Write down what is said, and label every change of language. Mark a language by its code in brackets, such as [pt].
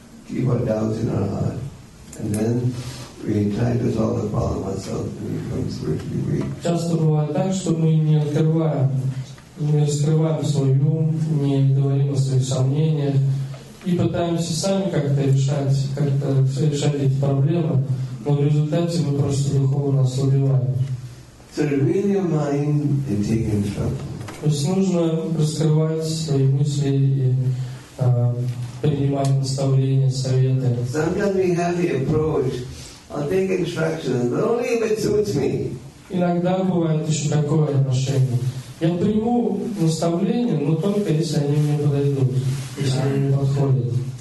[en] Keep our doubts in our heart, and then we try to solve the problem ourselves, and we become spiritually weak. [ru] Часто бывает так, что мы не раскрываем свой ум, не говорим о своих сомнениях, и пытаемся сами как-то решать эти проблемы, Но в результате мы просто духовно ослабеваем. [en] So to reveal your mind and take control. [ru] То есть нужно раскрывать свои мысли и принимать наставления, советы. [en] Sometimes we have the approach, I'll take instructions, but only if it suits me. [ru] Иногда бывает еще такое отношение. Я приму наставления, но только если они мне подойдут, если они мне подходят.